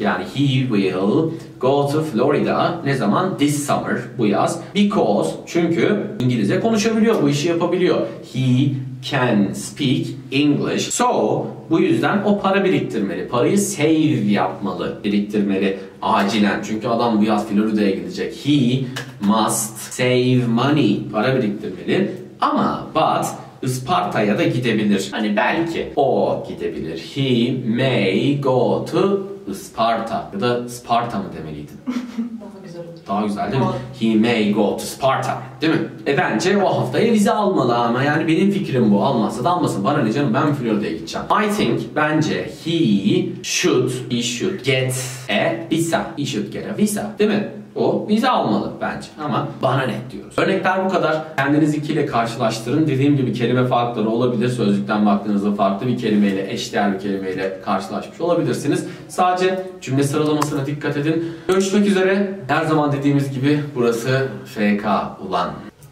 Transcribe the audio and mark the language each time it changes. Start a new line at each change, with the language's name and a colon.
English: Yani he will go to Florida.
Turkish: Ne zaman?
English: This summer.
Turkish: Bu yaz. Because, çünkü İngilizce konuşabiliyor. Bu işi yapabiliyor.
English: He can speak English. So,
Turkish: bu yüzden o para biriktirmeli. Parayı save yapmalı. Biriktirmeli acilen. Çünkü adam bu yaz Florida'ya gidecek.
English: He must save money.
Turkish: Para biriktirmeli. Ama, but Isparta'ya da gidebilir. Hani belki o gidebilir.
English: He may go to Isparta.
Turkish: Ya da Sparta mı demeliydin? daha güzel değil mi?
English: He may go to Sparta.
Turkish: Değil mi? E bence o haftaya vize almalı ama yani benim fikrim bu. Almazsa da almasın. Bana ne canım, ben Florida'ya gideceğim.
English: I think bence he should get a visa. He should get a visa.
Turkish: Değil mi? O vize almalı bence ama bana ne diyoruz. Örnekler bu kadar. Kendiniz ikiyle karşılaştırın. Dediğim gibi kelime farkları olabilir. Sözlükten baktığınızda farklı bir kelimeyle, eşdeğer bir kelimeyle karşılaşmış olabilirsiniz. Sadece cümle sıralamasına dikkat edin. Görüşmek üzere. Her zaman dediğimiz gibi burası FK ulan.